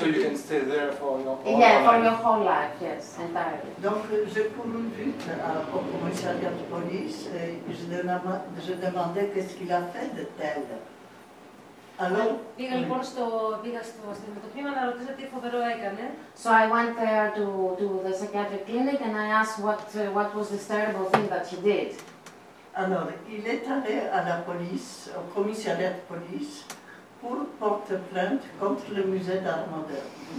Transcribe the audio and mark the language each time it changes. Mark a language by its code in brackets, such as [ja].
[en] So you can stay there for your whole life. Yeah, for your whole life, yes, entirely. [fr] Donc, j'ai couru vite au commissariat de police et je demandais qu'est-ce qu'il a fait de tel. Alors, [el] πήγα λοιπόν στο αστυνομικό να ρωτήσω τι φοβερό έκανε. [en] So I went there to the psychiatric clinic and I asked what was this terrible thing that he did. [fr] Alors, il est allé à la police, au commissariat de police, pour porter plainte contre le musée d'art moderne.